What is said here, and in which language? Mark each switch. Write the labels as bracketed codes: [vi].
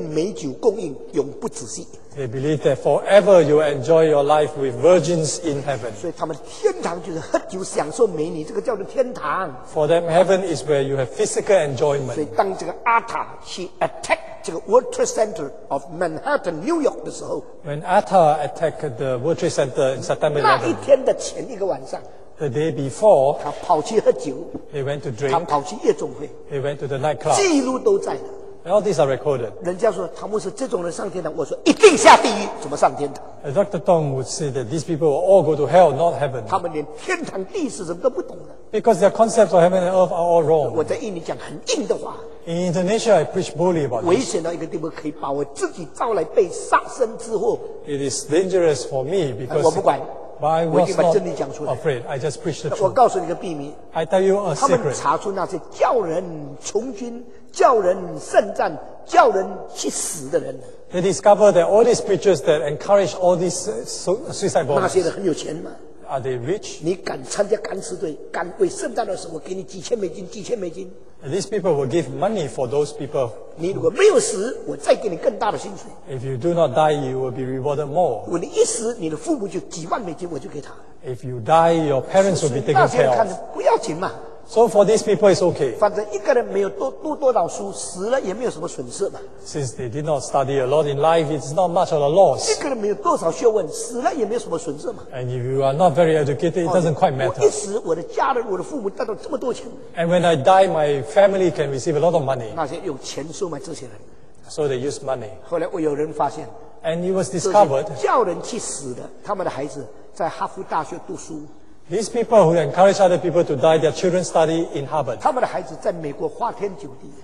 [zh] 你就有几千美女天天美酒供应永不止息。 [en] They believe that forever you will enjoy your life with virgins in heaven. [zh] 所以他们天堂就是喝酒享受美女，这个叫做天堂。 [en] For them, heaven is where you have physical enjoyment. [zh] 所以当这个 [en] ATA she attacked the World Trade Center of Manhattan, New York [zh] 的时候, [en] When ATA attacked the World Trade Center in September 11, [zh] 那一天的前一个晚上, [en] The day before, [zh] 他跑去喝酒, [en] They went to drink. [zh] 他跑去夜总会, [en] They went to the nightclub. [zh] 记录都在的。 [en] All these are recorded. [zh] 人家说唐牧师这种人上天堂，我说一定下地狱，怎么上天堂？ [en] Dr. Tong would say that these people will all go to hell, not heaven. [zh] 他们连天堂地是什么都不懂的。 [en] Because their concepts of heaven and earth are all wrong. [zh] 我在印尼讲很硬的话。 [en] In Indonesia, I preach boldly about this. [zh] 危险到一个地步，可以把我自己招来被杀身之祸。 [en] It is dangerous for me because [zh] 我不管。 [en] But I was not afraid. I just preached the truth. [zh] 我告诉你个秘密。 [en] I tell you a secret. [zh] 他们查出那些叫人从军。叫人胜战，叫人去死的人。 [en] They discover that all these preachers that encourage all these suicide bombers. [zh] 那些人很有钱吗？ [en] Are they rich? [zh] 你敢参加干尸队，敢为圣战而死，我给你几千美金，几千美金。 [en] These people will give money for those people. [zh] 你如果没有死，我再给你更大的薪水。 [en] If you do not die, you will be rewarded more. [zh] 如果你一死，你的父母就几万美金，我就给他。 [en] If you die, your parents will be taken care of. [zh] 那些人看着不要紧嘛。 [en] So for these people, it's okay. [zh] 反正一个人没有读多少书，死了也没有什么损失嘛。 [en] Since they did not study a lot in life, it's not much of a loss. [zh] 一个人没有多少学问，死了也没有什么损失嘛。 [en] And if you are not very educated, it doesn't quite matter. [zh] 我一死，我的家人、我的父母得到这么多钱。 [en] And when I die, my family can receive a lot of money. [zh] 那些用钱收买这些人。 [en] So they use money. [zh] 后来我有人发现。 [en] And it was discovered. [zh] 叫人去死的，他们的孩子在哈佛大学读书。 [en] These people who encourage other people to die, their children study in Harvard. [zh] 他们的孩子在美国花天酒地。